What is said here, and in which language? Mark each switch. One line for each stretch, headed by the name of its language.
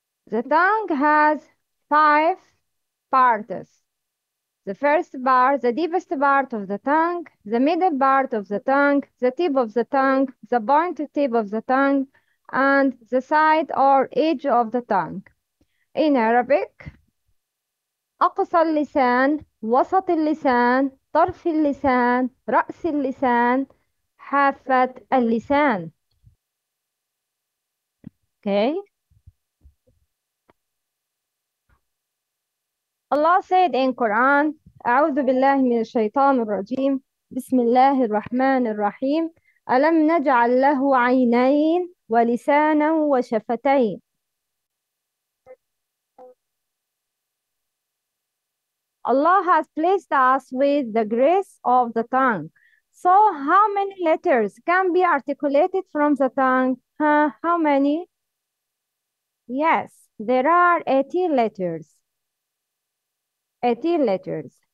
English: The tongue has five parts. The first part, the deepest part of the tongue, the middle part of the tongue, the tip of the tongue, the pointed tip of the tongue, and the side or edge of the tongue. In Arabic,
Arabic: أقصى اللسان, وسط اللسان, طرف اللسان, رأس اللسان, حافة اللسان.
English: Okay. Allah said in Quran,
Arabic: أعوذ بالله من الشيطان الرجيم, بسم الله الرحمن الرحيم, ألم نجعل له عينين ولسانا وشفتين.
English: Allah has placed us with the grace of the tongue. So how many letters can be articulated from the tongue? Huh? How many? Yes, there are 18 letters. 18 letters.